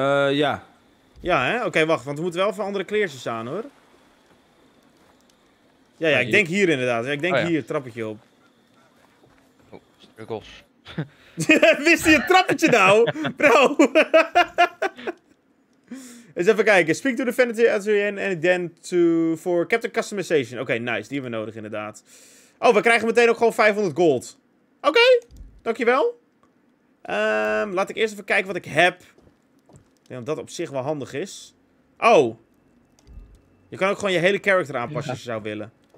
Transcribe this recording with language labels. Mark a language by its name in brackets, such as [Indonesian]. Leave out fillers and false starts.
[Dutch] Ja. Ja, hè? Oké, okay, wacht. Want we moeten wel even andere kleertjes aan, hoor. Ja, ja, ik denk hier inderdaad. Ja, ik denk hier, trappetje op. Oh, struggles. Wist hij een trappetje nou? Bro! Eens even kijken. [English] Speak to the vanity Adrian and then to... For Captain Customization. [Dutch] Oké, okay, nice. Die hebben we nodig inderdaad. Oh, we krijgen meteen ook gewoon 500 gold. Oké. Okay. Dankjewel. Laat ik eerst even kijken wat ik heb. Ik denk dat dat op zich wel handig is. Oh. Je kan ook gewoon je hele character aanpassen als je zou willen.